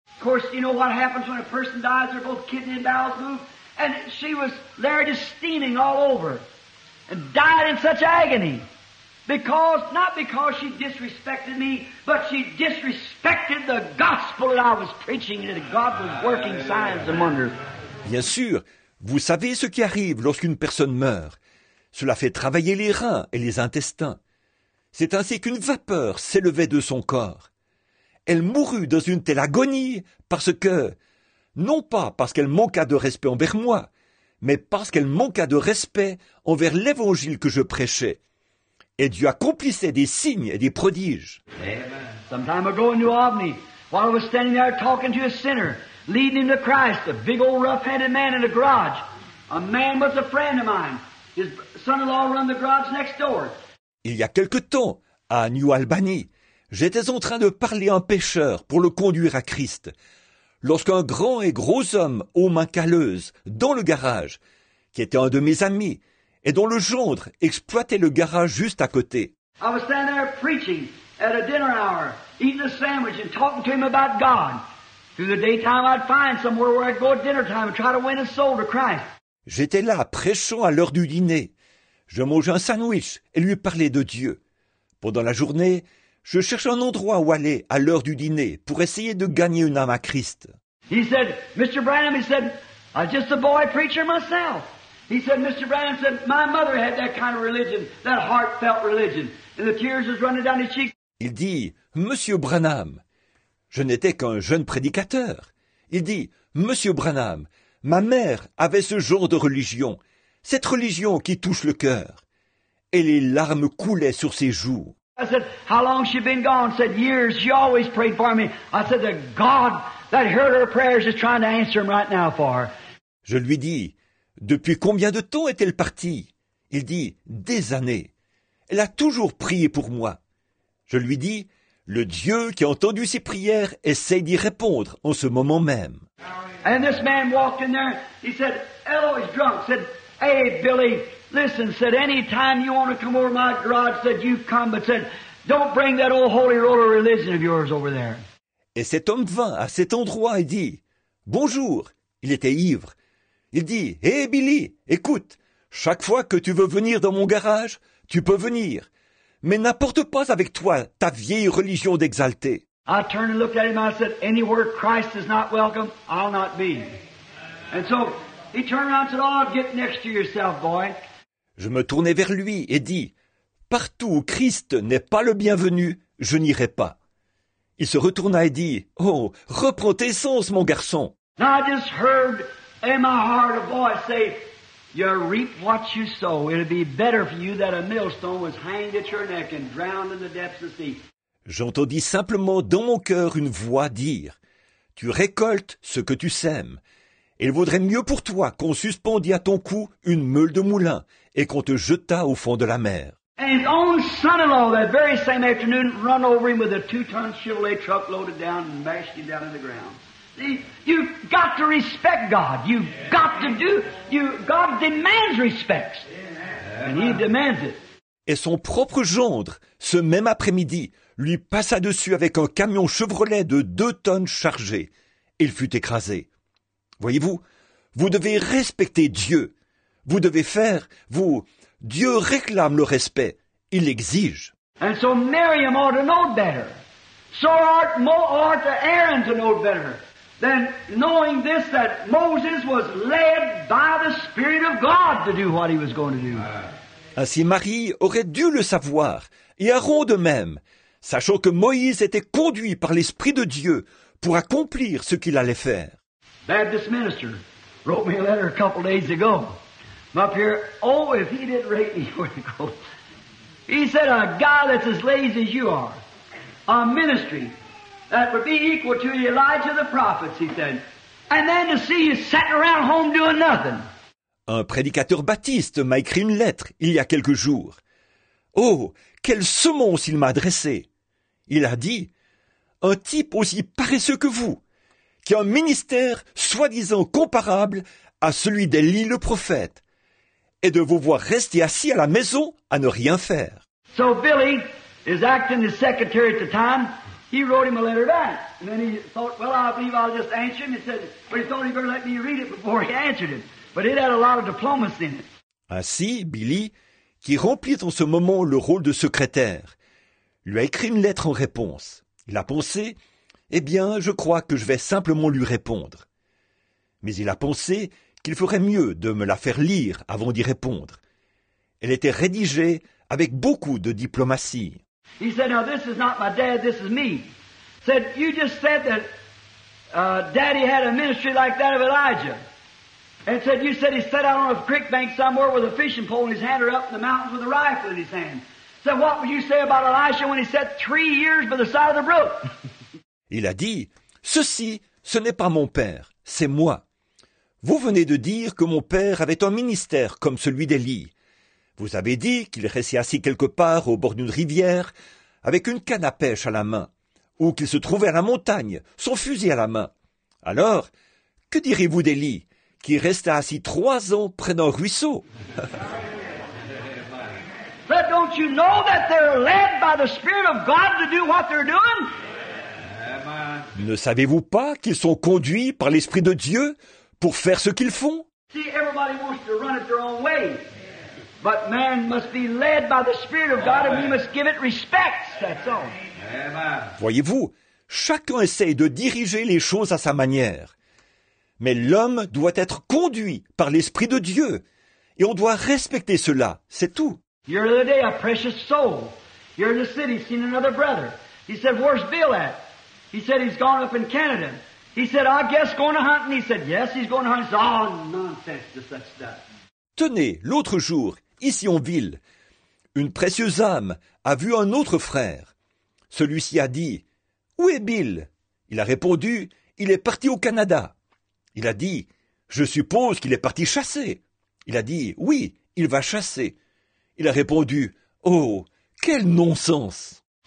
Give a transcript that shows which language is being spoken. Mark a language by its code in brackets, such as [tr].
[en] Of course, you know what happens when a person dies, they're both kidney and bowels move, and she was there just steaming all over and died in such agony. Because, not because she disrespected me, but she disrespected the gospel that I was preaching and that God was working signs among her. [fr] Bien sûr, vous savez ce qui arrive lorsqu'une personne meurt. Cela fait travailler les reins et les intestins. C'est ainsi qu'une vapeur s'élevait de son corps. Elle mourut dans une telle agonie parce que, non pas parce qu'elle manqua de respect envers moi, mais parce qu'elle manqua de respect envers l'évangile que je prêchais. Et Dieu accomplissait des signes et des prodiges. [en] Some time ago in New Albany, while I was standing there talking to a sinner, leading him to Christ, a big old rough-handed man in a garage. A man was a friend of mine. His son-in-law run the garage next door. [fr] Il y a quelque temps, à New Albany, j'étais en train de parler à un pêcheur pour le conduire à Christ, lorsqu'un grand et gros homme aux mains calleuses, dans le garage, qui était un de mes amis, et dont le gendre exploitait le garage juste à côté. [en] I was standing there preaching at a dinner hour, eating a sandwich and talking to him about God. Through the daytime, I'd find somewhere where I'd go at dinner time and try to win a soul to Christ. [fr] J'étais là, prêchant à l'heure du dîner. Je mangeais un sandwich et lui parlais de Dieu. Pendant la journée, je cherchais un endroit où aller à l'heure du dîner pour essayer de gagner une âme à Christ. [en] He said, Mr. Branham, he said, I'm just a boy preacher myself. He said, Mr. Branham said, my mother had that kind of religion, that heartfelt religion. And the tears was running down his cheeks. [fr] Il dit, Monsieur Branham, je n'étais qu'un jeune prédicateur. Il dit, Monsieur Branham, ma mère avait ce genre de religion, cette religion qui touche le cœur. Et les larmes coulaient sur ses joues. [en] I said, how long she been gone? Said, years. She always prayed for me. I said, the God that heard her prayers is trying to answer them right now for her. [fr] Je lui dis, depuis combien de temps est-elle partie? Il dit, des années. Elle a toujours prié pour moi. Je lui dis, le Dieu qui a entendu ses prières essaie d'y répondre en ce moment même. [en] And this man walked in there, he said, Elo is drunk, said, hey Billy, listen, said, any time you want to come over my garage, said, you come, but said, don't bring that old holy roller religion of yours over there. [fr] Et cet homme vint à cet endroit et dit, bonjour, il était ivre. Il dit, hé hey Billy, écoute, chaque fois que tu veux venir dans mon garage, tu peux venir, mais n'apporte pas avec toi ta vieille religion d'exalté. [en] I turned and looked at him and I said, anywhere Christ is not welcome, I'll not be. And so he turned around and said, oh, get next to yourself, boy. [fr] Je me tournai vers lui et dis, partout où Christ n'est pas le bienvenu, je n'irai pas. Il se retourna et dit, oh, reprends tes sens, mon garçon. [en] Now I just heard in my heart a voice say, you reap what you sow. It'll be better for you that a millstone was hanged at your neck and drowned in the depths of the sea. [fr] J'entendis simplement dans mon cœur une voix dire, tu récoltes ce que tu sèmes. Il vaudrait mieux pour toi qu'on suspendît à ton cou une meule de moulin et qu'on te jetât au fond de la mer. [en] And his own son-in-law that very same afternoon run over him with a two-ton Chevrolet truck loaded down and bashed him down in the ground. You've got to respect God. You've got to do. God demands respect. And he demands it. [fr] Et son propre gendre, ce même après-midi, lui passa dessus avec un camion Chevrolet de 2 tonnes chargé. Il fut écrasé. Voyez-vous, vous devez respecter Dieu. Vous devez faire, vous, Dieu réclame le respect, il l'exige. [en] And so Miriam ought to know better. So ought Aaron to know better than knowing this, that Moses was led by the Spirit of God to do what he was going to do. [fr] Ainsi Marie aurait dû le savoir, et Aaron de même, sachant que Moïse était conduit par l'Esprit de Dieu pour accomplir ce qu'il allait faire. [en] Baptist minister wrote me a letter a couple days ago. I'm up here, oh, if he didn't rate me, where to go? He said, a guy that's as lazy as you are, a ministry that would be equal to Elijah the prophets, he said, and then to see you sitting around home doing nothing. [fr] Un prédicateur baptiste m'a écrit une lettre il y a quelques jours. Oh, quelle semonce il m'a adressée! Il a dit, un type aussi paresseux que vous, qui a un ministère soi-disant comparable à celui d'Élie le prophète, et de vous voir rester assis à la maison à ne rien faire. [en] So Billy is acting as secretary at the time. He wrote him a letter back. And then he thought, well, I believe I'll just answer him. He said, but he thought he better let me read it before he answered him. But it had a lot of diplomacy in it. [fr] Ainsi, Billy, qui remplit en ce moment le rôle de secrétaire, lui a écrit une lettre en réponse. Il a pensé, eh bien, je crois que je vais simplement lui répondre. Mais il a pensé qu'il ferait mieux de me la faire lire avant d'y répondre. Elle était rédigée avec beaucoup de diplomatie. [en] He said, now this is not my dad, this is me. Said, you just said that daddy had a ministry like that of Elijah. And said, you said he sat out on a creek bank somewhere with a fishing pole in his hand or up in the mountains with a rifle in his hand. Said, what would you say about Elijah when he sat 3 years by the side of the brook? [fr] Il a dit, ceci, ce n'est pas mon père, c'est moi. Vous venez de dire que mon père avait un ministère comme celui d'Élie. Vous avez dit qu'il restait assis quelque part au bord d'une rivière avec une canne à pêche à la main, ou qu'il se trouvait à la montagne, son fusil à la main. Alors, que direz-vous d'Élie, qui resta assis 3 ans près d'un ruisseau? [en] But don't you know that they're led by the Spirit of God to do what they're doing? [fr] Ne savez-vous pas qu'ils sont conduits par l'Esprit de Dieu pour faire ce qu'ils font? [en] See, everybody wants to run it their own way. But man must be led by the Spirit of God and we must give it respect, that's all. [fr] Voyez-vous, chacun essaye de diriger les choses à sa manière. Mais l'homme doit être conduit par l'Esprit de Dieu. Et on doit respecter cela, c'est tout. [en] You're the day a precious soul. You're in the city, seen another brother. He said, where's Bill at? He said, he's gone up in Canada. He said, I guess going to hunt. And he said, yes, he's going to hunt. He said, oh, nonsense to such stuff. [fr] Tenez, l'autre jour, ici en ville, une précieuse âme a vu un autre frère. Celui-ci a dit, « Où est Bill ?» Il a répondu, « Il est parti au Canada. » Il a dit, « Je suppose qu'il est parti chasser. » Il a dit, « Oui, il va chasser. » Il a répondu, « Oh, quel non-sens !»